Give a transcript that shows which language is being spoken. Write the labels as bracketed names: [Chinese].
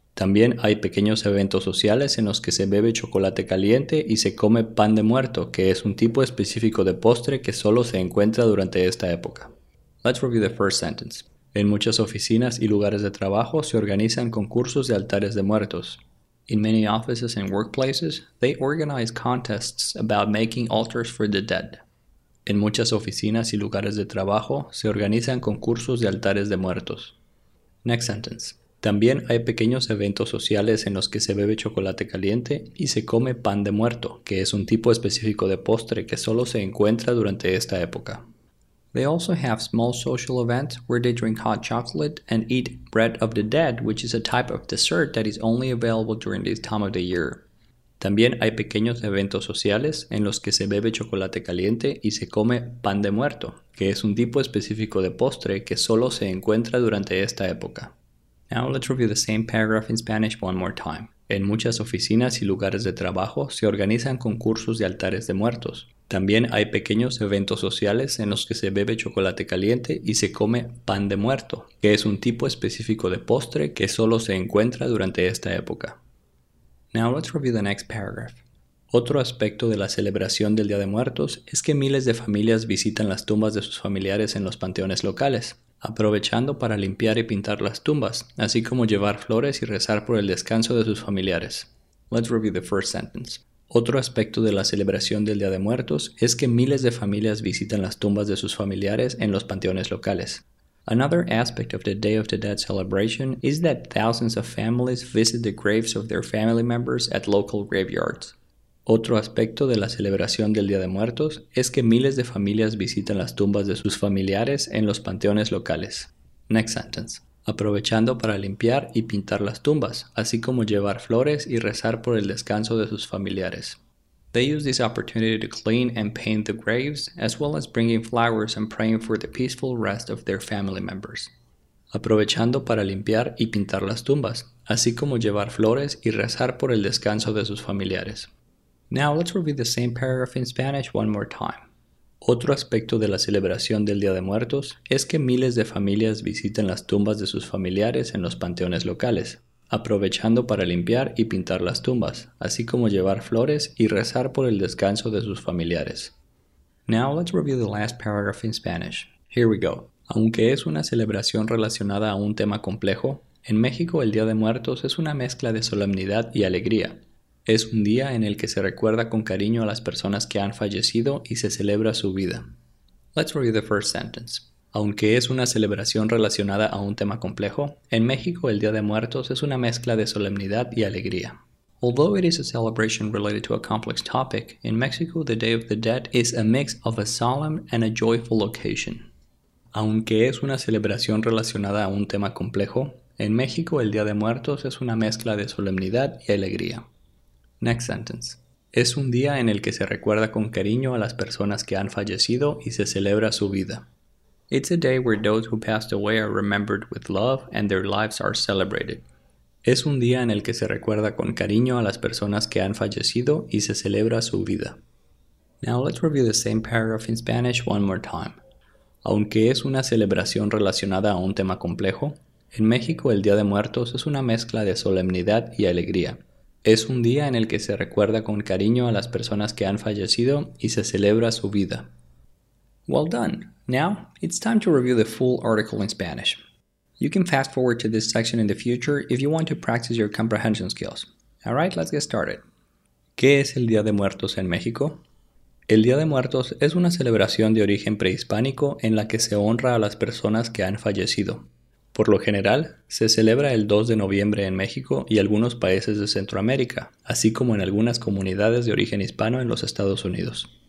[Spanish] También hay pequeños eventos sociales en los que se bebe chocolate caliente y se come pan de muerto, que es un tipo específico de postre que solo se encuentra durante esta época. [English] Let's review the first sentence. [Spanish] En muchas oficinas y lugares de trabajo se organizan concursos de altares de muertos. [English] In many offices and workplaces, they organize contests about making altars for the dead. [Spanish] En muchas oficinas y lugares de trabajo se organizan concursos de altares de muertos. [English] Next sentence. [Spanish] También hay pequeños eventos sociales en los que se bebe chocolate caliente y se come pan de muerto, que es un tipo específico de postre que solo se encuentra durante esta época. [English] They also have small social events where they drink hot chocolate and eat bread of the dead, which is a type of dessert that is only available during this time of the year. [Spanish] También hay pequeños eventos sociales en los que se bebe chocolate caliente y se come pan de muerto, que es un tipo específico de postre que solo se encuentra durante esta época. [English] Now let's review the same paragraph in Spanish one more time. [Spanish] En muchas oficinas y lugares de trabajo se organizan concursos de altares de muertos. También hay pequeños eventos sociales en los que se bebe chocolate caliente y se come pan de muerto, que es un tipo específico de postre que solo se encuentra durante esta época. [English] Now let's review the next paragraph. [Spanish] Otro aspecto de la celebración del Día de Muertos es que miles de familias visitan las tumbas de sus familiares en los panteones locales, aprovechando para limpiar y pintar las tumbas, así como llevar flores y rezar por el descanso de sus familiares. [English] Let's review the first sentence. [Spanish] Otro aspecto de la celebración del Día de Muertos es que miles de familias visitan las tumbas de sus familiares en los panteones locales. [English] Another aspect of the Day of the Dead celebration is that thousands of families visit the graves of their family members at local graveyards. [Spanish] Otro aspecto de la celebración del Día de Muertos es que miles de familias visitan las tumbas de sus familiares en los panteones locales. [English] Next sentence. [Spanish] Aprovechando para limpiar y pintar las tumbas, así como llevar flores y rezar por el descanso de sus familiares. [English] They use this opportunity to clean and paint the graves, as well as bringing flowers and praying for the peaceful rest of their family members. [Spanish] Aprovechando para limpiar y pintar las tumbas, así como llevar flores y rezar por el descanso de sus familiares. [English] Now let's review the same paragraph in Spanish one more time. [Spanish] Otro aspecto de la celebración del Día de Muertos es que miles de familias visitan las tumbas de sus familiares en los panteones locales, aprovechando para limpiar y pintar las tumbas, así como llevar flores y rezar por el descanso de sus familiares. [English] Now let's review the last paragraph in Spanish. Here we go. [Spanish] Aunque es una celebración relacionada a un tema complejo, en México el Día de Muertos es una mezcla de solemnidad y alegría. Es un día en el que se recuerda con cariño a las personas que han fallecido y se celebra su vida. [English] Let's review the first sentence. [Spanish] Aunque es una celebración relacionada a un tema complejo, en México el Día de Muertos es una mezcla de solemnidad y alegría. [English] Although it is a celebration related to a complex topic, in Mexico the Day of the Dead is a mix of a solemn and a joyful occasion. [Spanish] Aunque es una celebración relacionada a un tema complejo, en México el Día de Muertos es una mezcla de solemnidad y alegría. [English] Next sentence. [Spanish] Es un día en el que se recuerda con cariño a las personas que han fallecido y se celebra su vida. [English] It's a day where those who passed away are remembered with love and their lives are celebrated. [Spanish] Es un día en el que se recuerda con cariño a las personas que han fallecido y se celebra su vida. [English] Now let's review the same paragraph in Spanish one more time. [Spanish] Aunque es una celebración relacionada a un tema complejo, en México el Día de Muertos es una mezcla de solemnidad y alegría. Es un día en el que se recuerda con cariño a las personas que han fallecido y se celebra su vida. [English] Well done. Now, it's time to review the full article in Spanish. You can fast forward to this section in the future if you want to practice your comprehension skills. All right, let's get started. [Spanish] ¿Qué es el Día de Muertos en México? El Día de Muertos es una celebración de origen prehispánico en la que se honra a las personas que han fallecido. Por lo general, se celebra el 2 de noviembre en México y algunos países de Centroamérica, así como en algunas comunidades de origen hispano en los Estados Unidos.